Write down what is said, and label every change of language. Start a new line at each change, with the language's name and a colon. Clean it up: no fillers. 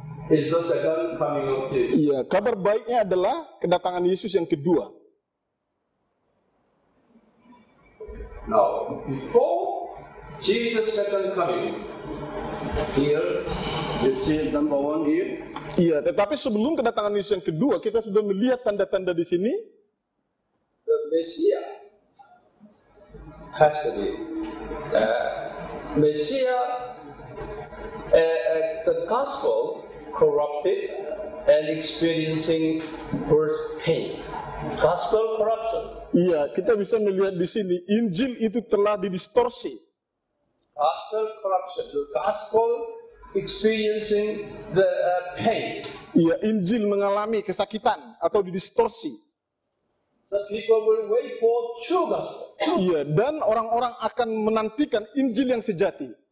English: Is the second coming of Jesus.
Indonesian: Iya, kabar baiknya adalah kedatangan Yesus yang kedua.
English: Now, before Jesus second coming. Here, you see number one here.
Indonesian: Iya, tetapi sebelum kedatangan Yesus yang kedua, kita sudah melihat tanda-tanda di sini.
English: The Messiah has to be. Messiah, the gospel corrupted and experiencing first pain. Gospel corruption.
Indonesian: Iya, kita bisa melihat di sini, Injil itu telah didistorsi.
English: Gospel corruption. The gospel experiencing the pain.
Indonesian: Iya, Injil mengalami kesakitan atau didistorsi.
English: The people will wait for true gospel.
Indonesian: Iya, dan orang-orang akan menantikan Injil yang sejati.